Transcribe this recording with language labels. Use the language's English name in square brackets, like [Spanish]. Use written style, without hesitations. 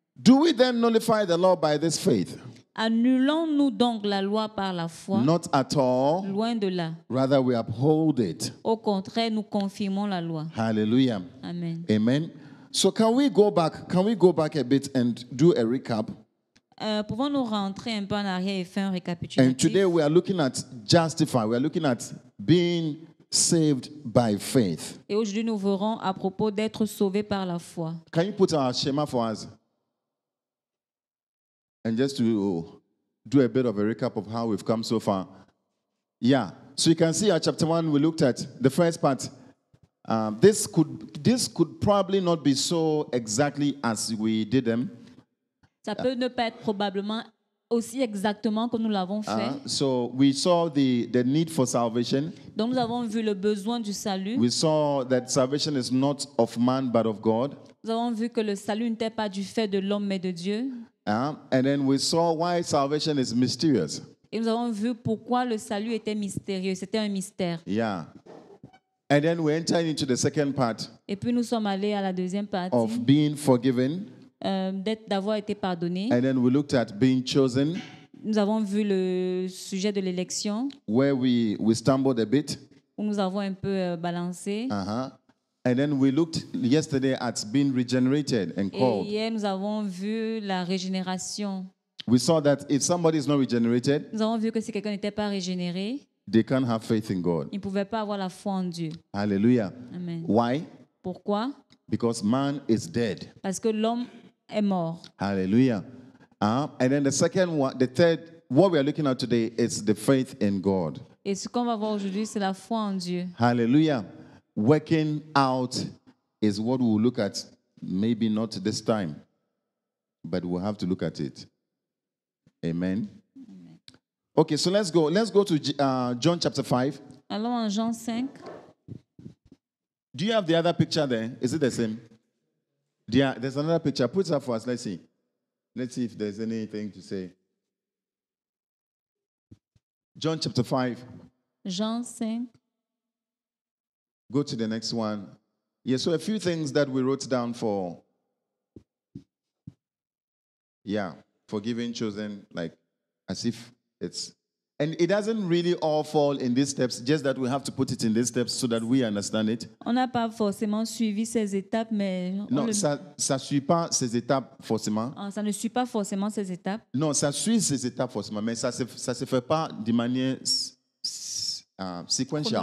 [English] Do we then nullify the law by this faith? [French] Annulons-nous donc la loi par la foi? [English] Not at all. [French] Loin de là. [English] Rather, we uphold it. [French] Au contraire, nous confirmons la loi. [English] Hallelujah. Amen. Amen. So can we go back? Can we go back a bit and do a recap? [French] Pouvons-nous rentrer un peu en arrière et faire un récapitulatif? [English] And today we are looking at justify. We are looking at being saved by faith. [French] Et aujourd'hui, nous verrons à propos d'être sauvés par la foi. [English] Can you put a schema for us? And just to do a bit of a recap of how we've come so far. Yeah, so you can see our chapter 1, we looked at the first part. This could probably not be so exactly as we did them. [French] Ça peut ne pas être probablement aussi exactement comme nous l'avons fait. [English] So we saw the need for salvation. [French] Donc nous avons vu le besoin du salut. [English] We saw that salvation is not of man but of God. [French] Nous avons vu que le salut n'était pas du fait de l'homme mais de Dieu. [English] And then we saw why salvation is mysterious. [French] Et nous avons vu pourquoi le salut était mystérieux. C'était un mystère. [English] Yeah. And then we entered into the second part. [French] Et puis nous sommes allés à la deuxième partie. [English] Of being forgiven. [French] D'avoir été pardonné. [English] And then we looked at being chosen. [French] Nous avons vu le sujet de l'élection. [English] Where we stumbled a bit. [French] Où nous avons un peu balancé. Uh-huh. [English] And then we looked yesterday at being regenerated and called. [French] Et hier nous avons vu la régénération. [English] We saw that if somebody is not regenerated, [French] nous avons vu que si quelqu'un n'était pas régénéré, [English] they can't have faith in God. [French] Ils ne pouvaient pas avoir la foi en Dieu. [English] Hallelujah. Amen. Why? [French] Pourquoi? [English] Because man is dead. [French] Parce que l'homme est mort. [English] Hallelujah. And then the second one, the third, what we are looking at today is the faith in God. [French] Et ce qu'on va voir aujourd'hui, c'est la foi en Dieu. [English] Hallelujah. Working out is what we'll look at, maybe not this time, but we'll have to look at it. Amen. Okay, so let's go. Let's go to John chapter 5. [French] Allons en Jean 5. [English] Do you have the other picture there? Is it the same? Yeah, there's another picture. Put it up for us. Let's see. Let's see if there's anything to say. John chapter 5. [French] Jean 5. [English] Go to the next one. Yeah, so a few things that we wrote down for. Yeah. Forgiving, chosen, like as if it's, and it doesn't really all fall in these steps. Just that we have to put it in these steps so that we understand it. [French] On n'a pas forcément suivi ces étapes, mais non, ça suit pas ces étapes forcément. Ah, ça ne suit pas forcément ces étapes. Non, ça suit ces étapes forcément, mais ça se fait pas de manière sequential.